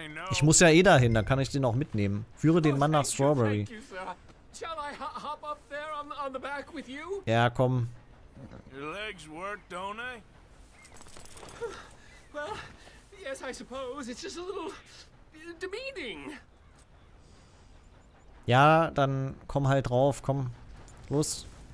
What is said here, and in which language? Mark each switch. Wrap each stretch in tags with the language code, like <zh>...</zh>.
<de>Ich muss ja eh dahin, dann kann ich den auch mitnehmen. Führe den Mann nach Strawberry.</de> <en>Shall I hop up there on the back with you?</en> <de>Ja, komm.</de> <en>Your legs work, don't they? Well, yes, I suppose. It's just a little demeaning.</en> <de>Ja, dann komm halt drauf, komm. Los.</de>